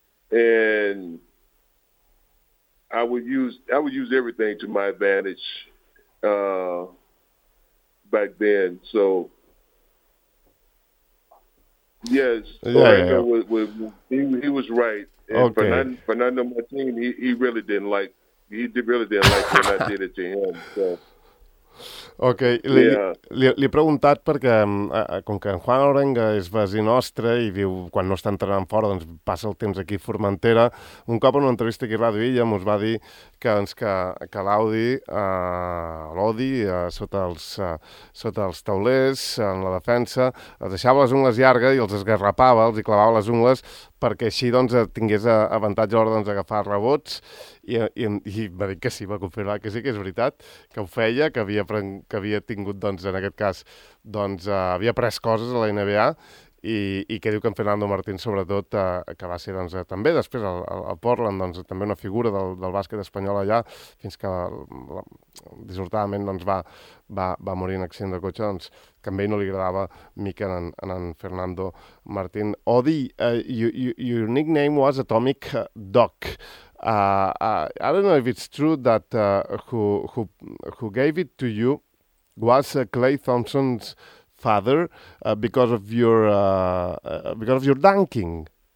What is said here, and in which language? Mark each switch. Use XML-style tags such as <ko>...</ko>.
<en>And I would use everything to my advantage back then. So yes, he was right. And okay. Fernando Martin, he really didn't like when I did it to him. So.</en> <ca>Ok, li he preguntat perquè, com que en Juan Orenga és vasí nostre i diu quan no està entrenant fora, doncs passa el temps aquí a Formentera, un cop en una entrevista aquí a Radio Illa mos va dir que l'Audi, sota els taulers, en la defensa, es deixava les ungles llargues i els esgarrapava, els clavava les ungles perquè així doncs, tingués avantatge a l'hora d'agafar doncs, rebots. I va dir que sí, va confirmar que sí, que és veritat, que ho feia, que havia tingut, doncs, en aquest cas, doncs, havia pres coses a la NBA i que diu que en Fernando Martín, sobretot, que va ser doncs, també després al Portland, doncs, també una figura del bàsquet espanyol allà, fins que, dissortadament, doncs, va morir en accident de cotxe, doncs, que a ell no li agradava mica en Fernando Martín.</ca> <en>Odi, your nickname was Atomic Dog. I don't know if it's true that who gave it to you was Clay Thompson's father because of your dunking.</en>